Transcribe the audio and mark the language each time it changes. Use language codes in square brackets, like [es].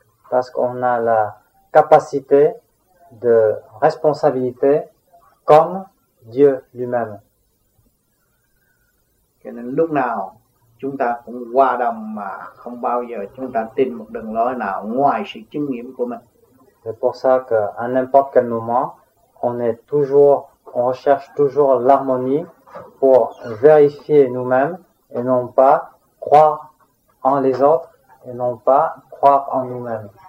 [fr] Parce qu'on a la capacité de responsabilité comme Dieu lui-même. [vi] Cho nên lúc nào chúng ta cũng hòa đồng, mà không bao giờ chúng ta tin một đường lối nào ngoài sự chứng nghiệm của mình. [fr] C'est pour ça que à n'importe quel moment, on recherche toujours l'harmonie pour vérifier nous-mêmes et non pas croire en les autres et non pas croire en nous-mêmes.